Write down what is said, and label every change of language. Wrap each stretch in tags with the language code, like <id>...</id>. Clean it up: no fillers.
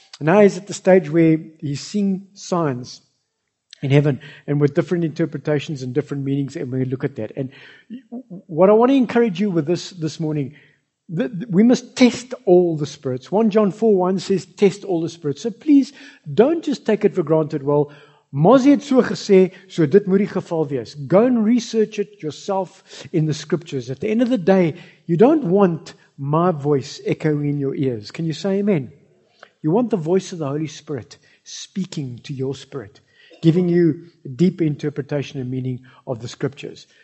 <en>Now he's at the stage where he's seeing signs in heaven and with different interpretations and different meanings, and we look at that. And what I want to encourage you with this morning, we must test all the spirits. 1 John 4:1 says, test all the spirits. So please, don't just take it for granted.</en> <af>Well, Mozi het so gesê, so dit moet die geval wees.</af> <en>Go and research it yourself in the scriptures. At the end of the day, you don't want my voice echoing in your ears. Can you say amen? You want the voice of the Holy Spirit speaking to your spirit, giving you a deep interpretation and meaning of the scriptures.</en>